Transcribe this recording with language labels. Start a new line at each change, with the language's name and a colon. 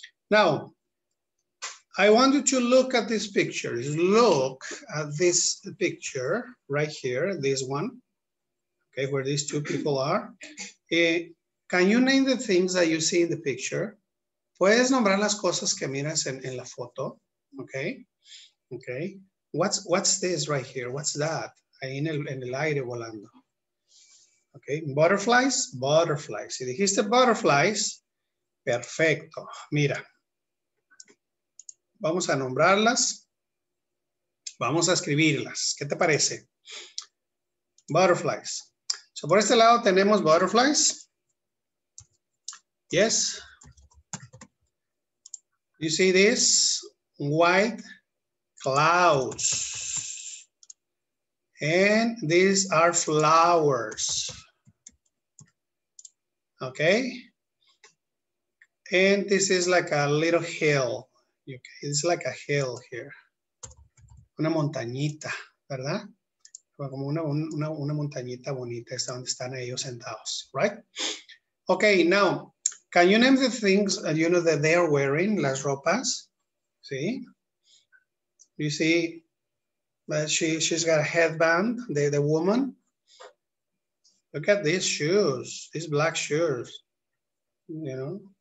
English: Now, I want you to look at this picture. Look at this picture right here, this one, okay, where these two people are. Can you name the things that you see in the picture?
Spanish: ¿Puedes nombrar las cosas que miras en la foto?
English: Okay. Okay. What's this right here? What's that?
Spanish: Ahí en el aire volando.
English: Okay, butterflies, butterflies.
Spanish: Si dijiste butterflies, perfecto. Mira, vamos a nombrarlas. Vamos a escribirlas. ¿Qué te parece? Butterflies. So por este lado tenemos butterflies.
English: Yes. You see this? White clouds. And these are flowers. Okay, and this is like a little hill. Okay, it's like a hill here.
Spanish: Una montañita. ¿verdad? Como una montañita bonita está donde están ellos sentados,
English: right? Okay, now, can you name the things, you know, that they are wearing,
Spanish: las ropas? ¿Sí?
English: You see that she's got a headband, the woman. Look at these shoes, these black shoes, you know.